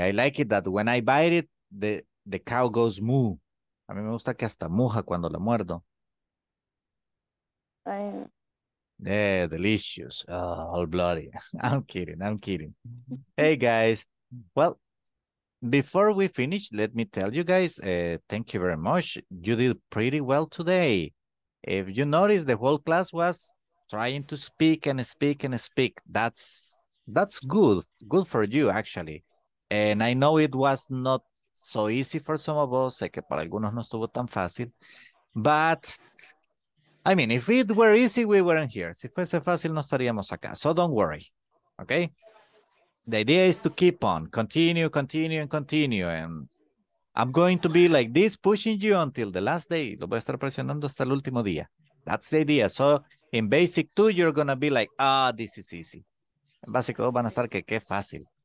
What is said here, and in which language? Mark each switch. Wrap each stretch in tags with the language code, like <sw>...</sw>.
<en>I like it that when I bite it, the cow goes moo.</en> <es>A mí me gusta que hasta moja cuando la muerdo.</es> <en>Yeah, delicious. Oh, all bloody. I'm kidding. I'm kidding. Hey, guys. Well, before we finish, let me tell you guys, thank you very much. You did pretty well today. If you notice, the whole class was trying to speak and speak and speak. That's good. Good for you, actually. And I know it was not so easy for some of us.</en> <es>Sé que para algunos no estuvo tan fácil.</es> <en>But, I mean, if it were easy, we weren't here.</en> <es>Si fuese fácil, no estaríamos acá.</es> <en>So don't worry. Okay? The idea is to keep on. Continue, continue, and continue. And I'm going to be like this, pushing you until the last day.</en> <es>Lo voy a estar presionando hasta el último día.</es> <en>That's the idea. So in basic two, you're going to be like, ah, oh, this is easy.</en> <es>En básico dos van a estar que qué fácil.</es>